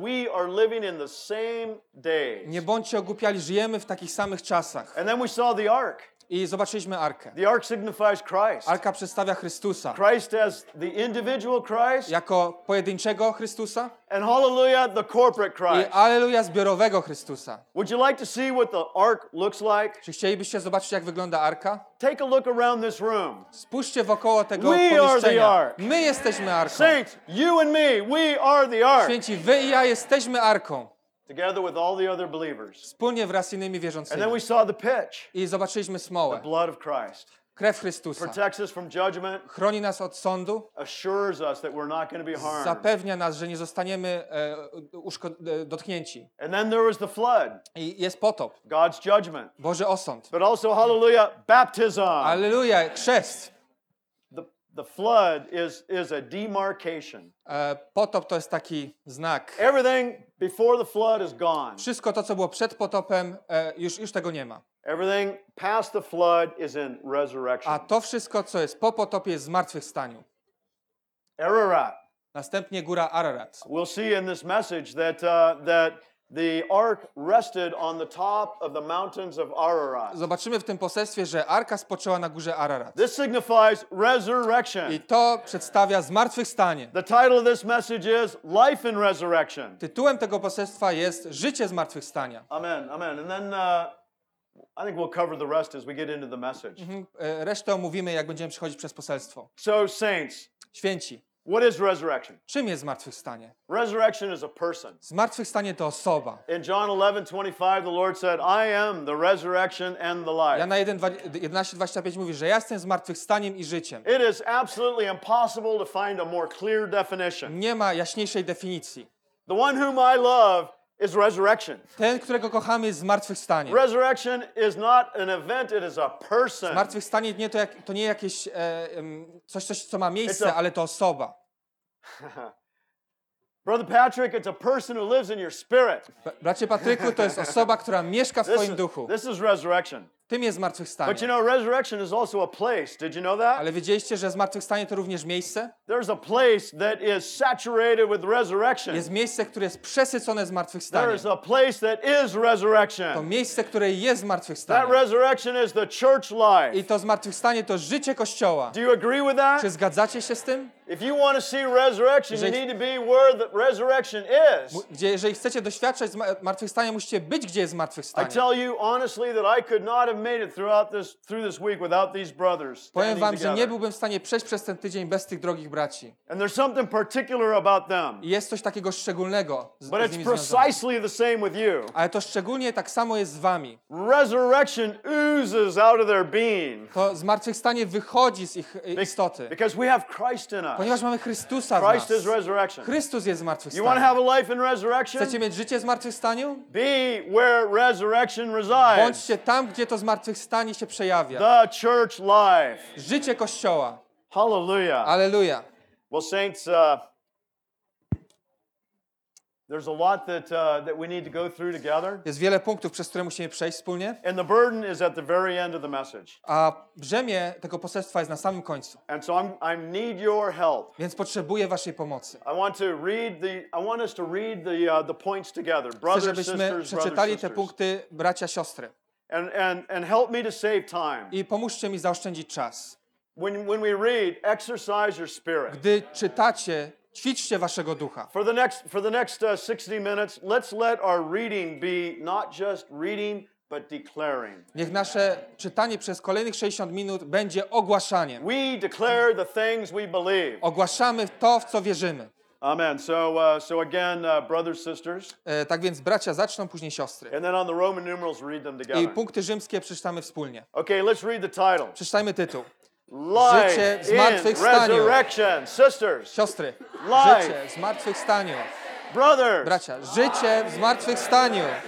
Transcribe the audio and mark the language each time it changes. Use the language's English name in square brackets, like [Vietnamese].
[English] We are living in the same days. [Polish] Nie bądźcie ogłupiali, żyjemy w takich samych czasach. [English] And then we saw the ark. [Polish] I zobaczyliśmy arkę. [English] The ark signifies Christ. [Polish] Arka przedstawia Chrystusa. [English] Christ as the individual Christ. [Polish] Jako pojedynczego Chrystusa. [English] And hallelujah, the corporate Christ. [Polish] I alleluja zbiorowego Chrystusa. [English] Would you like to see what the ark looks like? [Polish] Czy chcielibyście zobaczyć, jak wygląda arka? [English] Take a look around this room. [Polish] Spójrzcie wokoło tego [English] we [Polish] pomieszczenia. [English] Are the ark. [Polish] My jesteśmy arką. [English] Saints, you and me, we are the ark. [Polish] Święci, wy i ja jesteśmy arką. [English] Together with all the other believers. [Polish] Wspólnie wraz z innymi wierzącymi. [English] And then we saw the pitch. [Polish] I zobaczyliśmy smołę. [English] The blood of Christ. [Polish] Krew Chrystusa. [English] Protects us from judgment. [Polish] Chroni nas od sądu. [English] Assures us that we're not going to be harmed. [Polish] Zapewnia nas, że nie zostaniemy dotknięci. [English] And then there was the flood. [Polish] I jest potop. [English] God's judgment. [Polish] Boży osąd. [English] But also, hallelujah, baptism. [Polish] Alleluja, chrzest. [English] The flood is a demarcation. [Polish] Potop to jest taki znak. [English] Everything before the flood is gone. [Polish] Wszystko to, co było przed potopem, już tego nie ma. [English] Everything past the flood is in resurrection. [Polish] A to wszystko, co jest po potopie, jest w zmartwychwstaniu. [English] Ararat. [Polish] Następnie góra Ararat. [English] We'll see in this message that the ark rested on the top of the mountains of Ararat. [Polish] Zobaczymy w tym poselstwie, że arka spoczęła na górze Ararat. [English] This signifies resurrection. [Polish] I to przedstawia zmartwychwstanie. [English] The title of this message is life in resurrection. [Polish] Tytułem tego poselstwa jest życie zmartwychwstania. [English] Amen, amen. And then I think we'll cover the rest as we get into the message. [Polish] Resztę omówimy, jak będziemy przechodzić przez poselstwo. [English] So saints. [Polish] Święci. [English] What is resurrection? [Polish] Czym jest zmartwychwstanie? [English] Resurrection is a person. [Polish] Zmartwychwstanie to osoba. [English] In John 11:25 the Lord said, I am the resurrection and the life. [Polish] Jana 11:25 mówi, że ja jestem zmartwychwstaniem i życiem. [English] It is absolutely impossible to find a more clear definition. [Polish] Nie ma jaśniejszej definicji. [English] The one whom I love is resurrection. [Polish] Ten, którego kochamy, jest zmartwychwstanie. [English] Resurrection is not an event, it is a person. [Polish] Zmartwychwstanie nie to, jak, to nie jakieś coś, co ma miejsce, ale to osoba. [English] Brother Patrick, it's a person who lives in your spirit. [Polish] Bracie Patryku, to jest osoba, która mieszka w twoim duchu. [English] This is resurrection. [Polish] Tym jest zmartwychwstanie. [English] But you know, resurrection is also a place. Did you know that? [Polish] Ale wiedzieliście, że zmartwychwstanie to również miejsce? [English] There's a place that is saturated with resurrection. [Polish] Jest miejsce, które jest przesycone zmartwychwstaniem. [English] There's a place that is resurrection. [Polish] To miejsce, które jest zmartwychwstanie. [English] That resurrection is the church life. [Polish] I to zmartwychwstanie to życie Kościoła. [English] Do you agree with that? [Polish] Czy zgadzacie się z tym? [English] If you want to see resurrection, you need to be where the resurrection is. [Polish] Jeżeli chcecie doświadczać zmartwychwstania, musicie być gdzie jest zmartwychwstanie. [English] I tell you honestly that I could not have made it through this week without these brothers. [Polish] Powiem wam, że nie byłbym w stanie przejść przez ten tydzień bez tych drogich braci. [English] And there's something particular about them. [Polish] Jest coś takiego szczególnego z nimi związanego. [English] But it's precisely the same with you. [Polish] Ale to szczególnie tak samo jest z wami. [English] Resurrection oozes out of their being. [Polish] To zmartwychwstanie wychodzi z ich istoty. [English] Because we have Christ in us. [Polish] Ponieważ mamy Chrystusa w nas. Chrystus jest zmartwychwstaniem. [English] You want to have a life in resurrection? [Polish] Chcecie mieć życie w zmartwychwstaniu? [English] Be where resurrection resides. [Polish] Bądźcie tam, gdzie to zmartwychwstanie się przejawia. [English] The church life. [Polish] Życie Kościoła. [English] Hallelujah. Hallelujah. Well, saints, there's a lot that we need to go through together. [Polish] Jest wiele punktów, przez które musimy przejść wspólnie. [English] And the burden is at the very end of the message. [Polish] A brzemię tego poselstwa jest na samym końcu. [English] And so I'm need your help. [Polish] Więc potrzebuję waszej pomocy. [English] I want us to read the points together. Brothers, [Polish] chcę, żebyśmy przeczytali te punkty, bracia, siostry. [English] And help me to save time. [Polish] I pomóżcie mi zaoszczędzić czas. [English] When we read, exercise your spirit. [Polish] Gdy czytacie, ćwiczcie waszego ducha. [English] For the next 60 minutes, let's let our reading be not just reading, but declaring. [Polish] Niech nasze czytanie przez kolejnych 60 minut będzie ogłaszaniem. [English] We declare the things we believe. [Polish] Ogłaszamy to, w co wierzymy. [English] Amen. So again, brothers, sisters. [Polish] Tak więc bracia zaczną, później siostry. [English] And then on the Roman numerals, read them together. [Polish] I punkty rzymskie przeczytamy wspólnie. [English] Okay, let's read the title. [Polish] Przeczytajmy tytuł. [English] Life in resurrection, sisters. [Polish] Siostry. Życie w zmartwychwstaniu. [English] Brothers. [Polish] Bracia, życie w zmartwychwstaniu.